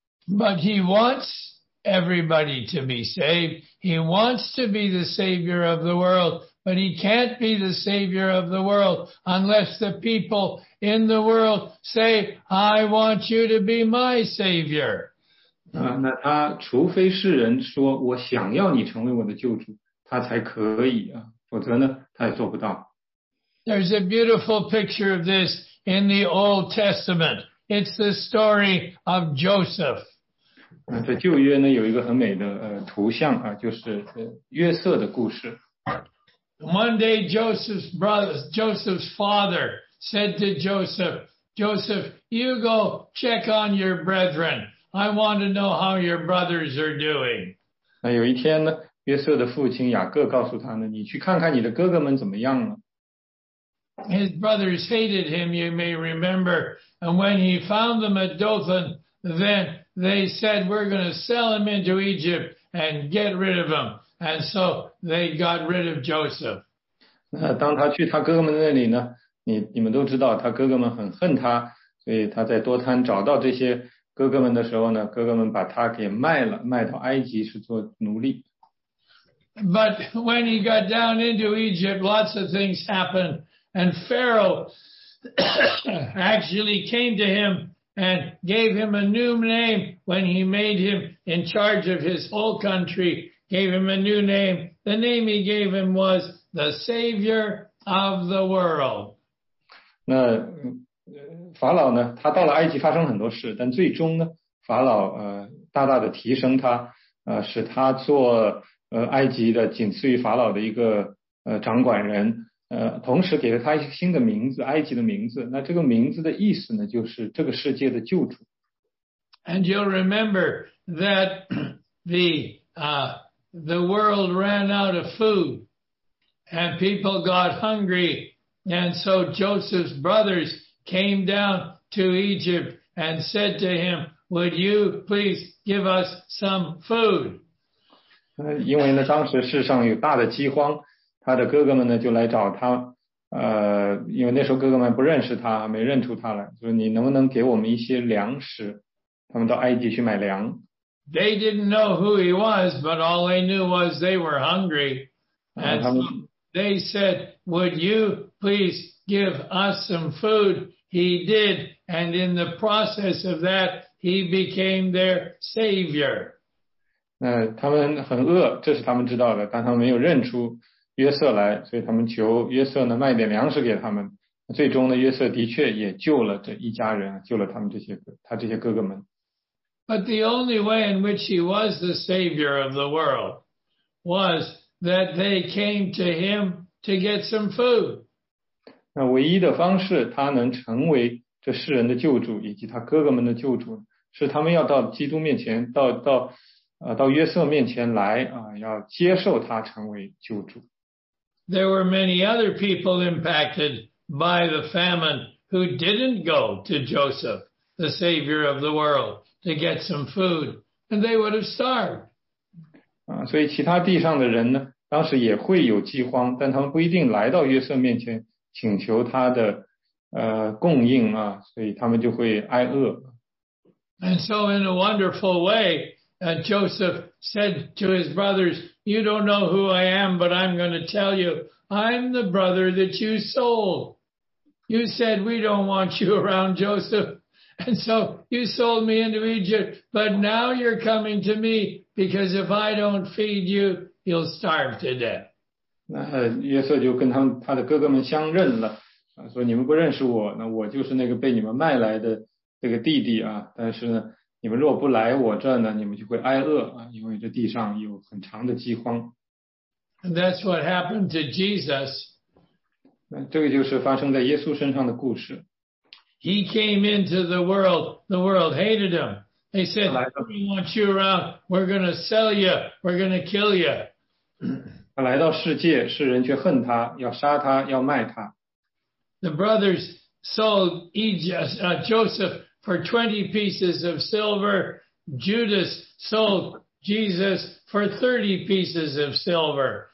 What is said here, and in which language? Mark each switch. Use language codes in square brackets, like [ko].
[en] But he wants everybody to be saved. He wants to be the savior of the world, but he can't be the savior of the world unless the people in the world say, I want you to be my savior. [zh] 那他除非世人说我想要你成为我的救主，他才可以啊，否则呢，他也做不到。 [en] There's a beautiful picture of this in the Old Testament. It's the story of Joseph. [zh] 在旧约呢，有一个很美的图像啊，就是约瑟的故事。 [en] One day, Joseph's father said to Joseph, Joseph, you go check on your brethren. I want to know how your brothers are doing. [zh] 那有一天呢，约瑟的父亲雅各告诉他呢，你去看看你的哥哥们怎么样了。 [en] His brothers hated him, you may remember. And when he found them at Dothan, then they said, we're going to sell him into Egypt and get rid of him. And so they got rid of Joseph. [zh] 当他去他哥哥们那里呢，你们都知道他哥哥们很恨他，所以他在多摊找到这些哥哥们的时候呢，哥哥们把他给卖了，卖到埃及是做奴隶。 [en] But when he got down into Egypt, lots of things happened. And Pharaoh actually came to him and gave him a new name when he made him in charge of his whole country, gave him a new name. The name he gave him was the Savior of the World. [zh] 那法老呢，他到了埃及发生很多事，但最终呢，法老大大的提升他，使他做埃及的仅次于法老的一个掌管人，同时给了他一个新的名字，埃及的名字。那这个名字的意思呢，就是这个世界的救主。 [en] And you'll remember that the world ran out of food and people got hungry. And so Joseph's brothers came down to Egypt and said to him, would you please give us some food? [zh] 因为呢，当时世上有大的饥荒，他的哥哥们呢就来找他，因为那时候哥哥们不认识他，没认出他来，就是你能不能给我们一些粮食？他们到埃及去买粮。 [en] They didn't know who he was, but all they knew was they were hungry. And so they said, would you please give us some food? He did, and in the process of that, he became their savior. [zh] 他们很饿，这是他们知道的，但他们没有认出约瑟来，所以他们求约瑟呢卖点粮食给他们。最终呢，约瑟的确也救了这一家人，救了他们这些哥哥们。 [en] But the only way in which he was the savior of the world was that they came to him to get some food. [zh] 那唯一的方式他能成为这世人的救主以及他哥哥们的救主，是他们要到基督面前，到约瑟面前来啊，要接受他成为救主。 [en] There were many other people impacted by the famine who didn't go to Joseph, the savior of the world, to get some food, and they would have starved. [zh] 所以其他地上的人呢，当时也会有饥荒，但他们不一定来到约瑟面前请求他的供应啊，所以他们就会挨饿。 [en] And so in a wonderful way, Joseph said to his brothers, you don't know who I am, but I'm going to tell you. I'm the brother that you sold. You said, we don't want you around, Joseph. And so you sold me into Egypt. But now you're coming to me, because if I don't feed you, you'll starve to death. [zh] 那约瑟就跟他的哥哥们相认了，说你们不认识我，那我就是那个被你们卖来的这个弟弟啊，但是呢，你们若不来我这呢，你们就会挨饿啊，因为这地上有很长的饥荒。 [en] And that's what happened to Jesus. [zh] 这个就是发生在耶稣身上的故事。 [en] He came into the world hated him. They said, we don't want you around, we're going to sell you, we're going to kill you. [zh] 他来到世界，世人却恨他，要杀他，要卖他。 [en] The brothers sold Joseph for 20 pieces of silver. Judas sold Jesus for 30 pieces of silver.